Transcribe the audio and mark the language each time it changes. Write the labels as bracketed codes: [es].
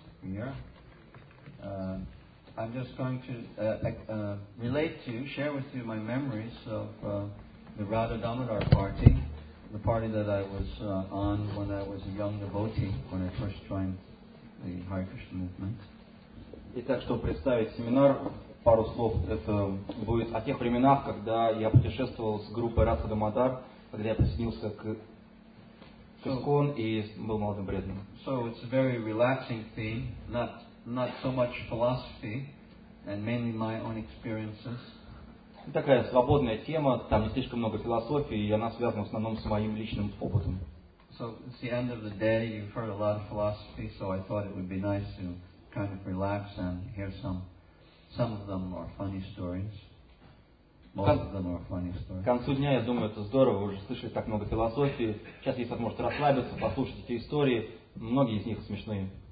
[en] Here, I'm just going to relate to you, share with you my memories of the Radha Damodar party. The party that I was on when I was a young devotee, when I first joined the Hare Krishna movement. [ru] Итак, чтобы представить семинар, пару слов, это будет о тех временах, когда я путешествовал с группой Радха Дамодар, когда я присоединился к ИСККОН и был молодым преданным. [en] So it's a very relaxing theme, not so much philosophy, and mainly my own experiences. [ru] Такая свободная тема, там не слишком много философии, и она связана в основном с моим личным опытом. [en] So, it's the end of the day, you've heard a lot of philosophy, so I thought it would be nice to kind of relax and hear some of them are funny stories. Most of them are funny stories. [ru] К концу дня, я думаю, это здорово, вы уже слышали так много философии, сейчас есть возможность расслабиться, послушать эти истории, многие из них смешные.